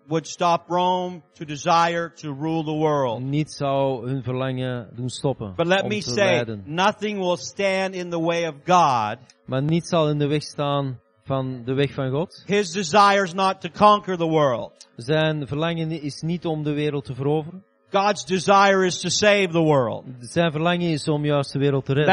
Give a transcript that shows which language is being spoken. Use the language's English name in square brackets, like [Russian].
[English] Would stop Rome to desire to rule the world. [Dutch] Niet zou hun verlangen doen stoppen. [English] But let [Dutch] om [English] me [Dutch] te [English] say, [Dutch] leiden. [English] Nothing will stand in the way of God. [Dutch] Maar niet zal in de weg staan van de weg van God. [English] His desire is not to conquer the world. [Dutch] Zijn verlangen is niet om de wereld te veroveren. [English] God's desire is to save the world. [Dutch] Zijn verlangen is om juist de wereld te redden.